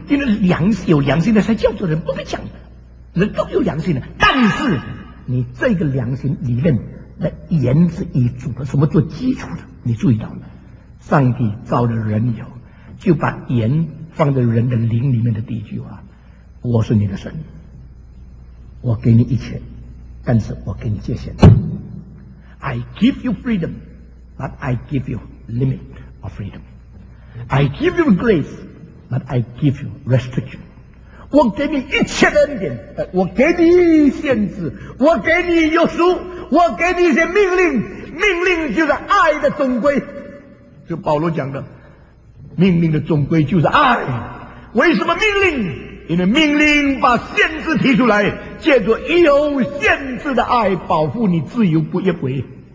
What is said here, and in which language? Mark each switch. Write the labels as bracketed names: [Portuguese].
[Chinese] 因为良心，有良心的才叫做人，不必讲的。人都有良心的，但是你这个良心理论的原则以主的什么做基础的？你注意到了，上帝造了人以后，就把言放在人的灵里面的第一句话：我是你的神，我给你一切，但是我给你界限。 [English] I give you freedom, but I give you limit of freedom. I give you grace, but I give you restriction. [Chinese] 我给你一切的恩典，我给你限制，我给你约束，我给你一些命令，命令就是爱的总归，就保罗讲的，命令的总归就是爱。为什么命令？因为命令把限制提出来，借着有限制的爱保护你自由不越轨。